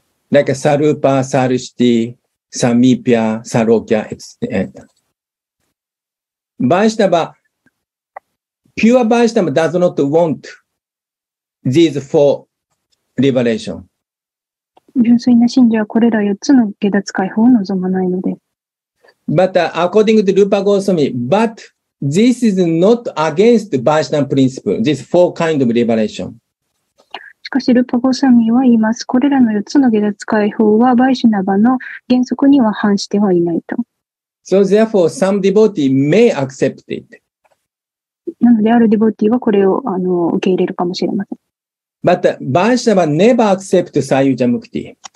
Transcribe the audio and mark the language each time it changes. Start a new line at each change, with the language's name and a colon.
English: Like サルーパー、サルシティ、サミーピア、サローキャ、バイシナバ、ピュアバイシナバ does not want these four liberation.
Japanese: 純粋な信者はこれら4つの解脱解放を望まないのです。
English: But according to Rupa Goswami, but this is not against Vaishnava principle, this four kind of liberation.
Japanese: しかし、ルパゴスミは言います。これらの4つの解脱解放は、バイシナバの原則には反してはいないと。
English: So therefore, some devotee may accept it.
Japanese: なので、あるデボティはこれを受け入れるかもしれません。
English: But Vaishnava never accept Sayuja Mukti.